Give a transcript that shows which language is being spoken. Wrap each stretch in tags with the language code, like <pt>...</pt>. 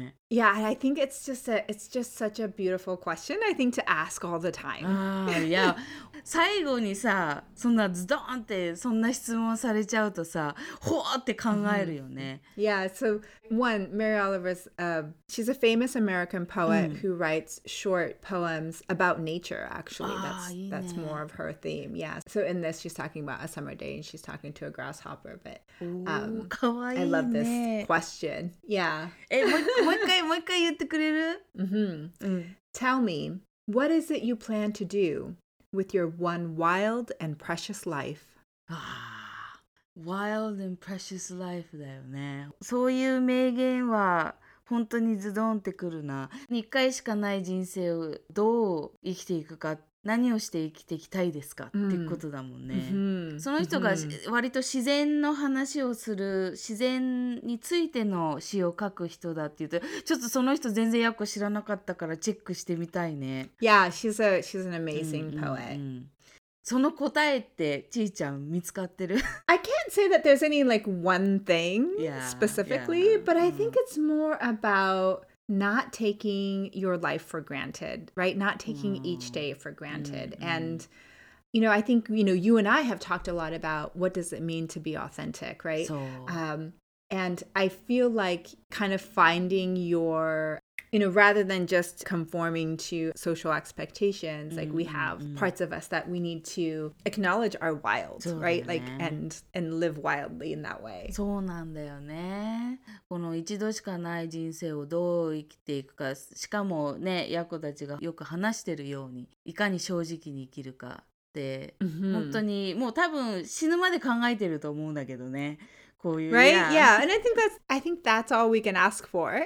<en>Yeah, I think it's just a, it's just such a beautiful question, I think, to ask all the time. Yeah.</en> <ja>最後にさ、そんなズドンってそんな質問されちゃうとさ、ほーって考えるよね。</ja> <en>Yeah, so one, Mary Oliver's, she's a famous American poet who writes short poems about nature, actually. That's more of her theme, yeah. So in this, she's talking about a summer day and she's talking to a grasshopper, but</en> <ja>かわいいね。</ja> <en>I love this question. Yeah.</en> <ja>もう一回言ってくれる?</ja> <en>Tell me, what is it you plan to do? With your one wild and precious life. Wild and precious life</en> <ja>だよね。そういう名言は本当にズドンってくるな。一回しかない人生をどう生きていくか、何をして生きていきたいですかっていうことだもんね。その人が割と自然の話をする、自然についての詩を書く人だって言うと、ちょっとその人全然訳知らなかったからチェックしてみたいね。</ja> <en>Yeah, she's an amazing poet.</en> <ja>その答えってちーちゃん見つかってる?</ja> <en>I can't say that there's any like one thing specifically, but I think it's more aboutNot taking your life for granted, right? Not taking each day for granted. And, you know, I think, you know, you and I have talked a lot about what does it mean to be authentic, right? So. And I feel like kind of finding your, you know, rather than just conforming to social expectations, like we have parts of us that we need to acknowledge are wild, so right? Like, and live wildly in that way.</en> <ja>そうなんだよね。この一度しかない人生をどう生きていくか、しかもね、ヤコたちがよく話してるように、いかに正直に生きるかって、本当にもう多分死ぬまで考えてると思うんだけどね。</ja> <en>Right? Yeah. And I think that's all we can ask for.</en>